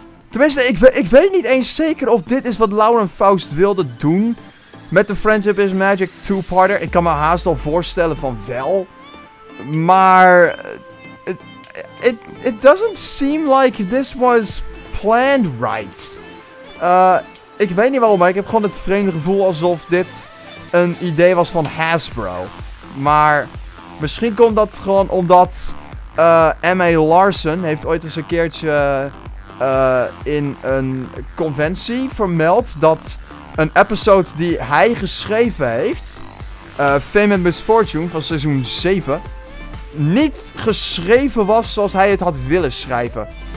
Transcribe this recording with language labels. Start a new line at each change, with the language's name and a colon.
Dutch: Tenminste, ik weet niet eens zeker of dit is wat Lauren Faust wilde doen met de Friendship is Magic 2-parter. Ik kan me haast al voorstellen van wel. Maar
English: it doesn't seem like this was planned right.
Dutch: Ik weet niet waarom, maar ik heb gewoon het vreemde gevoel alsof dit een idee was van Hasbro. Maar misschien komt dat gewoon omdat M.A. Larson heeft ooit eens een keertje in een conventie vermeld dat een episode die hij geschreven heeft, Fame and Misfortune van seizoen 7, niet geschreven was zoals hij het had willen schrijven.